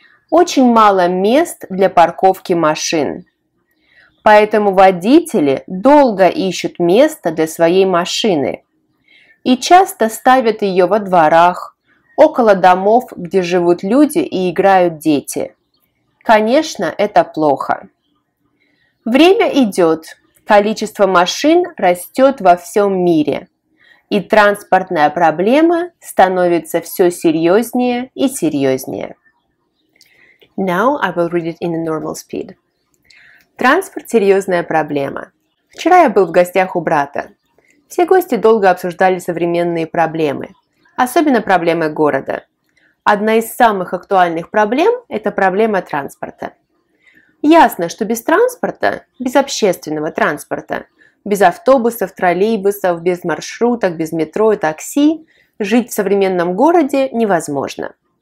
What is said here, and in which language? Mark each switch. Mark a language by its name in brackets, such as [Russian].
[Russian] Очень мало мест для парковки машин. Поэтому водители долго ищут место для своей машины и часто ставят ее во дворах, около домов, где живут люди и играют дети. Конечно, это плохо. Время идет, количество машин растет во всем мире, и транспортная проблема становится все серьезнее и серьезнее. [English] Now I will read it in a normal speed. [Russian] Транспорт – серьезная проблема. Вчера я был в гостях у брата. Все гости долго обсуждали современные проблемы, особенно проблемы города. Одна из самых актуальных проблем – это проблема транспорта. Ясно, что без транспорта, без общественного транспорта, без автобусов, троллейбусов, без маршруток, без метро и такси жить в современном городе невозможно.